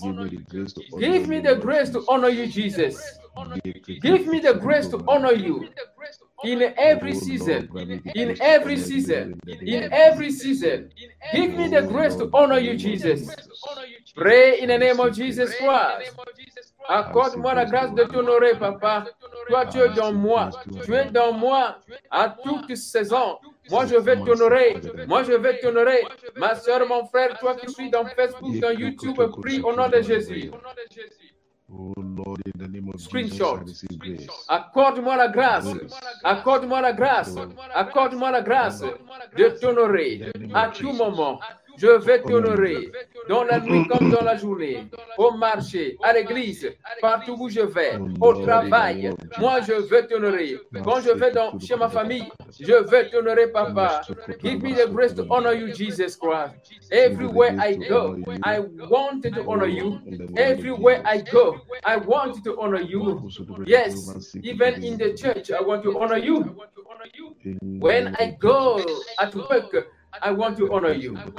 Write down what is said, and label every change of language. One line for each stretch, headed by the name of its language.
English: Give me the grace to honor you, Jesus. Give me the grace to honor you in every season, in every season, in every season. Give me the grace to honor you, Jesus. Pray in the name of Jesus Christ.
French: Accorde-moi la grâce de t'honorer, Papa. Toi, tu es dans moi. Tu es dans moi à toutes saisons. Moi, je vais t'honorer. Moi, je vais t'honorer. Ma soeur, mon frère, toi qui suis dans Facebook, dans YouTube, prie au nom de Jésus.
English: Oh Lord, in the name of screenshot. Jesus, I receive grace.
French: Accorde-moi la grâce. Accorde-moi la grâce. Accorde-moi la grâce de t'honorer à tout moment. Je vais t'honorer dans la nuit comme dans la journée, au marché, à l'église, partout où je vais, au travail. Moi, je veux t'honorer. Quand je vais dans, chez ma famille, je veux t'honorer, papa.
English: Give me the grace to honor you, Jesus Christ. Everywhere I go, I want to honor you. Everywhere I go, I want to honor you. Yes, even in the church, I want to honor you. When I go at work, I want to honor you.